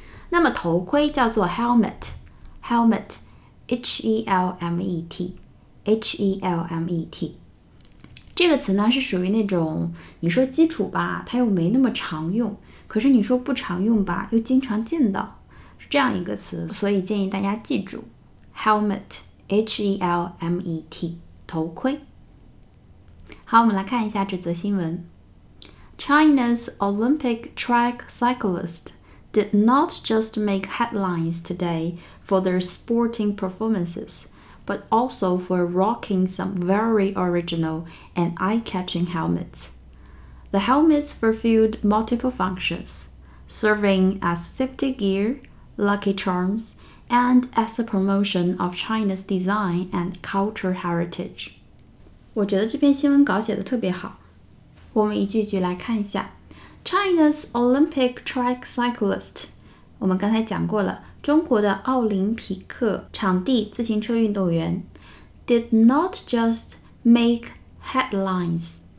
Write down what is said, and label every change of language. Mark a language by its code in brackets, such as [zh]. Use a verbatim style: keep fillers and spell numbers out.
[zh] 那么头盔叫做 helmet helmet h e l m e t h e l m e t， 这个词呢是属于那种你说基础吧，它又没那么常用，可是你说不常用吧，又经常见到，是这样一个词，所以建议大家记住 helmet H E L M E T 头盔。好，我们来看一下这则新闻。 [en] China's Olympic track cyclists did not just make headlines today for their sporting performances, but also for rocking some very original and eye-catching helmets. The helmets fulfilled multiple functions, serving as safety gear, lucky charms,and as a promotion of China's design and cultural heritage。 [zh] 我觉得这篇新闻稿写得特别好，我们一句句来看一下。 [en] China's Olympic track cyclist， [zh] 我们刚才讲过了，中国的奥林匹克场地自行车运动员 [en] did not just make headlines。